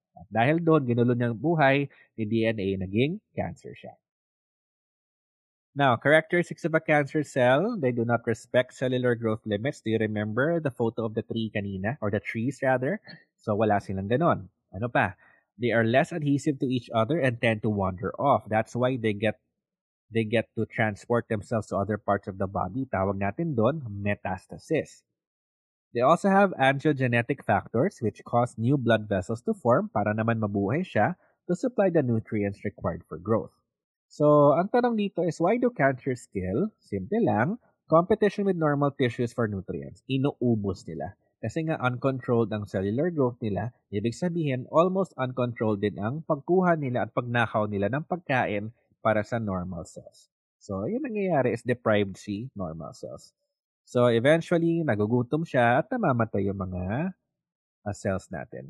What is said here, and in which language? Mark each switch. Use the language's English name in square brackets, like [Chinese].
[Filipino] At dahil doon, ginulo niya ang buhay ni DNA, naging cancer siya. [English] Now, characteristics of a cancer cell, they do not respect cellular growth limits. Do you remember the photo of the tree kanina? Or the trees rather? [Filipino] So, wala silang ganon. Ano pa? [English] They are less adhesive to each other and tend to wander off. That's why they get to transport themselves to other parts of the body. [Filipino] Tawag natin doon, [English] metastasis. They also have angiogenetic factors which cause new blood vessels to form [Filipino] para naman mabuhay siya [English] to supply the nutrients required for growth. So, [Filipino] ang tanong dito [English] is, why do cancers kill? Simple lang, competition with normal tissues for nutrients. [Filipino] Inuubos nila. Kasi nga, uncontrolled ang cellular growth nila. Ibig sabihin, almost uncontrolled din ang pagkuha nila at pagnakaw nila ng pagkain para sa normal cells. So, yung nangyayari is deprived si normal cells. So, eventually, nagugutom siya at namamatay yung mga cells natin.